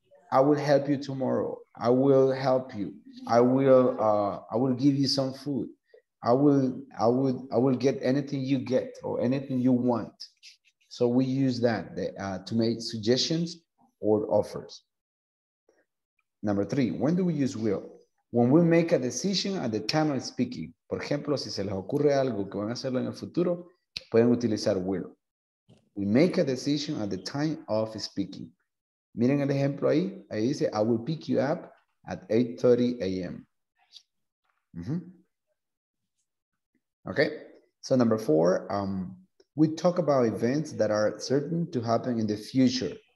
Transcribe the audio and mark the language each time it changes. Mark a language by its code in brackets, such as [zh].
[en] I will help you tomorrow. I will help you. I will give you some food. I will get anything you get or anything you want. So we use that to make suggestions or offers. Number three, when do we use will? When we make a decision at the time of speaking. [es] Por ejemplo, si se les ocurre algo que van a hacerlo en el futuro, pueden utilizar will. [en] We make a decision at the time of speaking. Miren el ejemplo ahí. [es] Ahí dice, I will pick you up at 8:30 a.m. Mm-hmm. Okay. So number four, we talk about events that are certain to happen in the future.